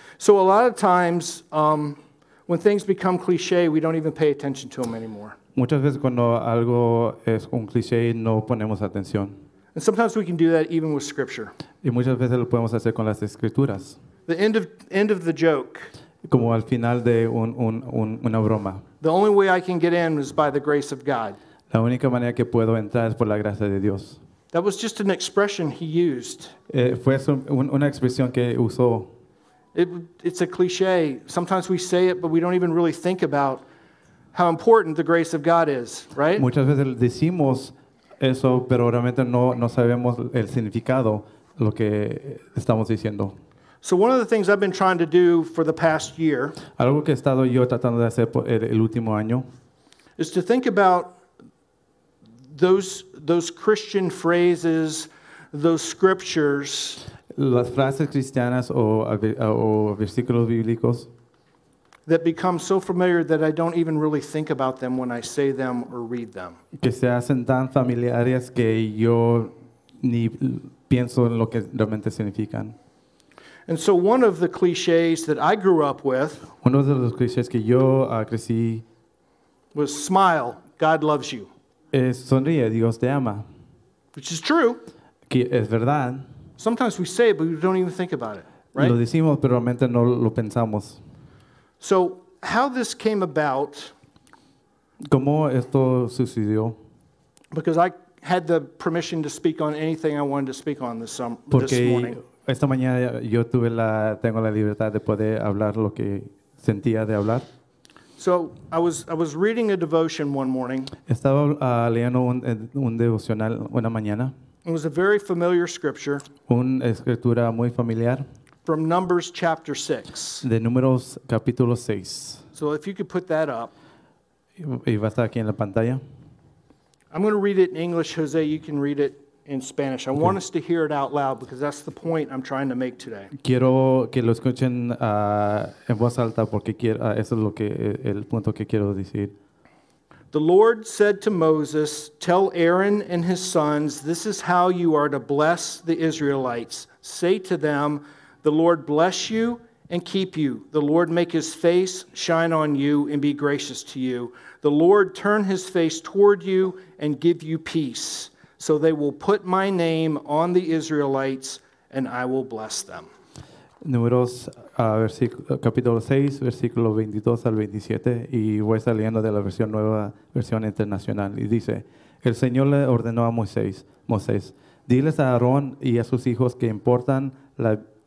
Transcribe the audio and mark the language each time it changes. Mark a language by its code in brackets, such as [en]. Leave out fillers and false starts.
[en] So a lot of times when things become cliché, we don't even pay attention to them anymore. [es] Muchas veces cuando algo es un cliché no ponemos atención. [en] And sometimes we can do that even with scripture. [es] Y muchas veces lo podemos hacer con las escrituras. [en] The end of the joke. [es] Como al final de una broma. [en] The only way I can get in is by the grace of God. [es] La única manera que puedo entrar es por la gracia de Dios. [en] That was just an expression he used. [es] Fue una expresión que usó. [en] It's a cliché. Sometimes we say it, but we don't even really think about how important the grace of God is, right? [es] Muchas veces decimos eso, pero realmente no sabemos el significado lo que estamos diciendo. [en] So one of the things I've been trying to do for the past year, [es] algo que he estado yo tratando de hacer por el último año, [en] is to think about those Christian phrases, those scriptures, [es] las frases cristianas o versículos bíblicos, [en] that become so familiar that I don't even really think about them when I say them or read them. [es] Que se hacen tan familiares que yo ni pienso en lo que realmente significan. [en] And so one of the clichés that I grew up with, [es] uno de los clichés que yo crecí, [en] was smile, God loves you. [es] Es sonríe, Dios te ama. [en] Which is true. [es] Que es verdad. [en] Sometimes we say it, but we don't even think about it, right? [es] Lo decimos, pero realmente no lo pensamos. [en] So how this came about? [es] ¿Cómo esto sucedió? [en] Because I had the permission to speak on anything I wanted to speak on this morning. [es] Esta mañana yo tengo la libertad de poder hablar lo que sentía de hablar. [en] So I was reading a devotion one morning. [es] Estaba leyendo un devocional una mañana. [en] It was a very familiar scripture. [es] Una escritura muy familiar. [en] From Numbers chapter 6. [es] De Números capítulo 6. [en] So if you could put that up. [es] Y va a estar aquí en la pantalla. [en] I'm going to read it in English, Jose. You can read it in Spanish. I want us to hear it out loud because that's the point I'm trying to make today. [es] Quiero que lo escuchen en voz alta porque eso es lo que el punto que quiero decir. [en] The Lord said to Moses, "Tell Aaron and his sons, this is how you are to bless the Israelites. Say to them, 'The Lord bless you and keep you. The Lord make his face shine on you and be gracious to you. The Lord turn his face toward you and give you peace.' So they will put my name on the Israelites and I will bless them." [es] Números capítulo 6, versículo 22 al 27, y voy a estar leyendo de la versión nueva, versión internacional, y dice: El Señor le ordenó a Moisés, diles a Aarón y a sus hijos que importan la